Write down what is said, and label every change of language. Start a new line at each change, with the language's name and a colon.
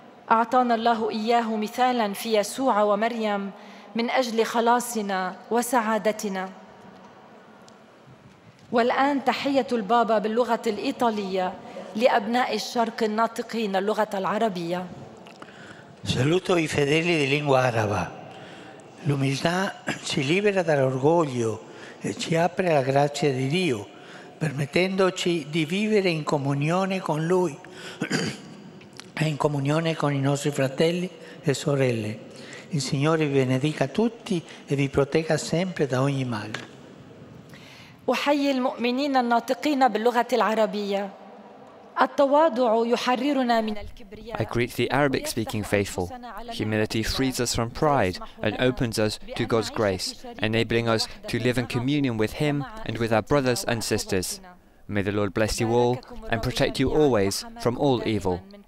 Arabic: أعطانا الله إياه مثالاً في يسوع ومريم من أجل خلاصنا وسعادتنا. والآن تحية البابا باللغة الإيطالية لأبناء الشرق الناطقين اللغة العربية.
Italian: Saluto i fedeli di lingua araba. L'umiltà ci libera dall'orgoglio e ci apre la grazia di Dio, permettendoci di vivere in comunione con Lui e in comunione con i nostri fratelli e sorelle. Il Signore vi benedica tutti e vi protegga sempre da ogni male.
Arabic: أحيي المؤمنين الناطقين باللغة العربية. التواضع يحررنا من الكبرياء.
English: I greet the Arabic speaking faithful. Humility frees us from pride and opens us to God's grace, enabling us to live in communion with Him and with our brothers and sisters. May the Lord bless you all and protect you always from all evil.